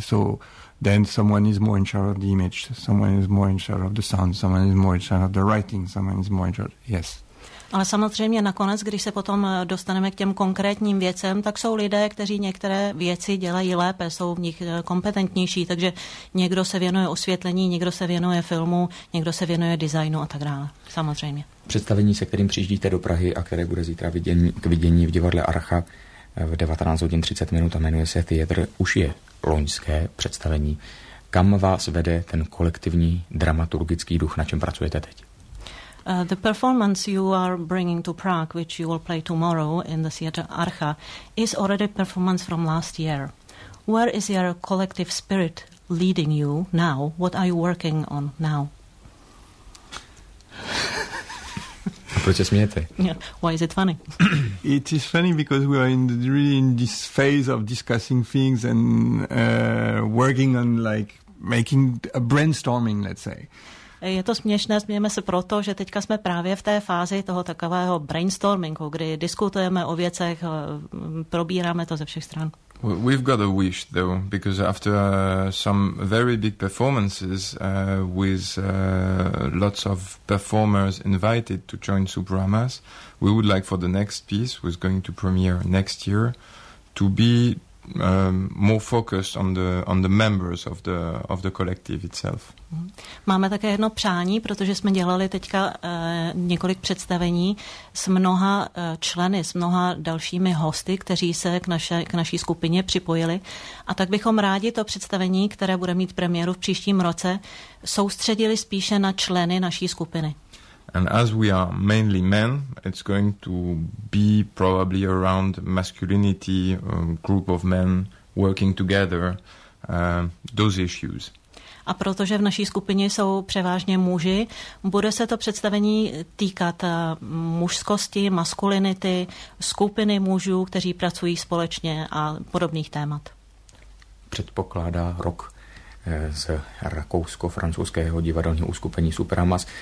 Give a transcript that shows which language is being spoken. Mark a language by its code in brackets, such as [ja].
[en] So then someone is more in charge of the image, someone is more in charge of the sound, someone is more in charge of the writing, someone is more in charge, yes. [cs] Ale samozřejmě nakonec, když se potom dostaneme k těm konkrétním věcem, tak jsou lidé, kteří některé věci dělají lépe, jsou v nich kompetentnější, takže někdo se věnuje osvětlení, někdo se věnuje filmu, někdo se věnuje designu a tak dále, samozřejmě. Představení, se kterým přijíždíte do Prahy a které bude zítra k vidění v divadle Archa v 19:30 a jmenuje se Theater, už je loňské představení. Kam vás vede ten kolektivní dramaturgický duch, na čem pracujete teď? [en] The performance you are bringing to Prague, which you will play tomorrow in the Theatre Archa, is already a performance from last year. Where is your collective spirit leading you now? What are you working on now? [cs] Proč se smějete? [en] Why is it funny? It is funny because we are in this phase of discussing things and working on like making a brainstorming, let's say. [cs] Je to směšné, smějeme se proto, že teďka jsme právě v té fázi toho takového brainstormingu, kdy diskutujeme o věcech, probíráme to ze všech stran. [en] We've got a wish, though, because after some very big performances with lots of performers invited to join Supramas, we would like for the next piece, which is going to premiere next year, to be more focused on the members of the collective itself. [cs] Máme také jedno přání, protože jsme dělali teďka několik představení s mnoha členy, s mnoha dalšími hosty, kteří se k naší skupině připojili. A tak bychom rádi to představení, které bude mít premiéru v příštím roce, soustředili spíše na členy naší skupiny. [en] And as we are mainly men, it's going to be probably around masculinity, group of men working together, those issues. [cs] A protože v naší skupině jsou převážně muži, bude se to představení týkat mužskosti, maskulinity, skupiny mužů, kteří pracují společně a podobných témat. Předpokládá rok z rakousko-francouzského divadelního uskupení Supramas.